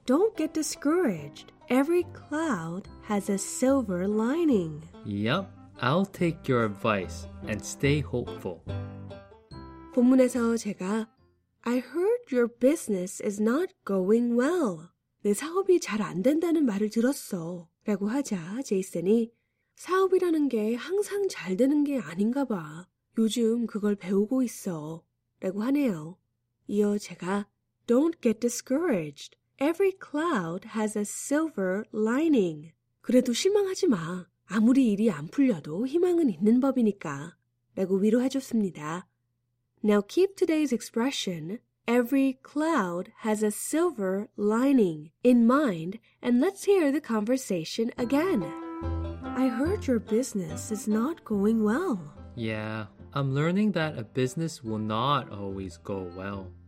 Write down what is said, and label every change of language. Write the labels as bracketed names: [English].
[English] Don't get discouraged. Every cloud has a silver lining. Yep, I'll take your advice and stay hopeful. [Korean] 본문에서 제가 [English] I heard your business is not going well. [Korean] 내 사업이 잘 안 된다는 말을 들었어. 라고 하자 제이슨이 사업이라는 게 항상 잘 되는 게 아닌가 봐. 요즘 그걸 배우고 있어. 라고 하네요. 이어 제가 [English] Don't get discouraged. Every cloud has a silver lining. [Korean] 그래도 실망하지 마. 아무리 일이 안 풀려도 희망은 있는 법이니까. 라고 위로해줬습니다. [English] Now keep today's expression, every cloud has a silver lining, in mind, and let's hear the conversation again. I heard your business is not going well. Yeah, I'm learning that a business will not always go well.